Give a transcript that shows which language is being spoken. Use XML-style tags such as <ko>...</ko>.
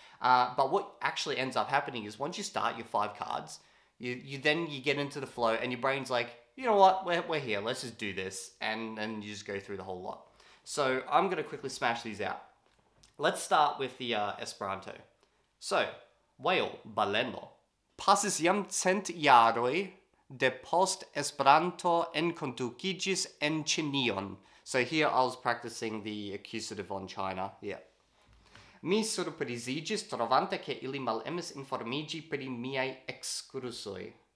<en>But what actually ends up happening is once you start your 5 cards, you get into the flow and your brain's like, you know what, we're here, let's just do this. And then you just go through the whole lot. So I'm going to quickly smash these out. Let's start with the Esperanto. So, whale, baleno.</en> <eo>Pasis jam cent jaroj de post Esperanto enkondukigis en Ĉinion.</eo> <en>So here I was practicing the accusative on China. Yeah.</en> <eo>Mi surprizigis trovante ke ili malemis informigi pri miaj ekskursoj.</eo>